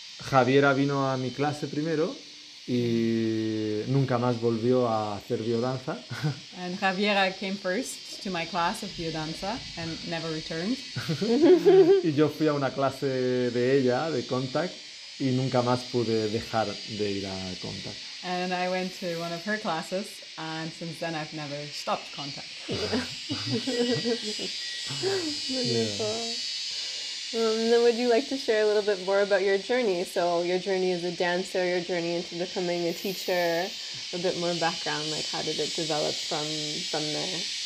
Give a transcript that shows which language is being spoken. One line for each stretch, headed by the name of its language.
Spanish: Javiera vino a mi clase primero, y nunca más volvió a hacer biodanza.
English: And Javiera came first to my class of biodanza and never returned.
Spanish: Y yo fui a una clase de ella, de contact, y nunca más pude dejar de ir a contact.
English: And I went to one of her classes, and since then I've never stopped contact. Then would you like to share a little bit more about your journey? So your journey as a dancer, your journey into becoming a teacher, a bit more background, like how did it develop from there?